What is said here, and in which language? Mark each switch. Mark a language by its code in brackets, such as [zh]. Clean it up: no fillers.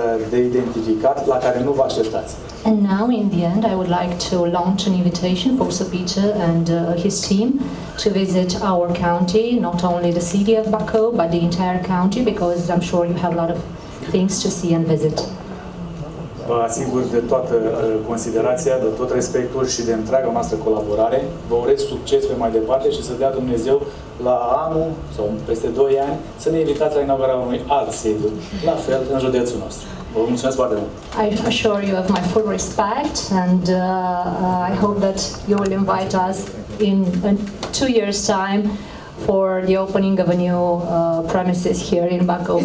[ro] de identificat la care nu vă așteptați. [en] And now, in the end, I would like to launch an invitation for Sir Peter and his team to visit our county, not only the city of Bacau, but the entire county, because I'm sure you have a lot of things to see and visit. [ro] Vă asigur de toată considerația, de tot respectul și de întreaga noastră colaborare. Vă urez succes pe mai departe și să dea Dumnezeu la anul sau peste 2 ani să ne invitați la inaugurarea unui alt sediu, la fel în județul nostru. Vă mulțumesc foarte mult! [en] I assure you of my full respect and I hope that you will invite us in 2 years time for the opening of a new premises here in Bacau.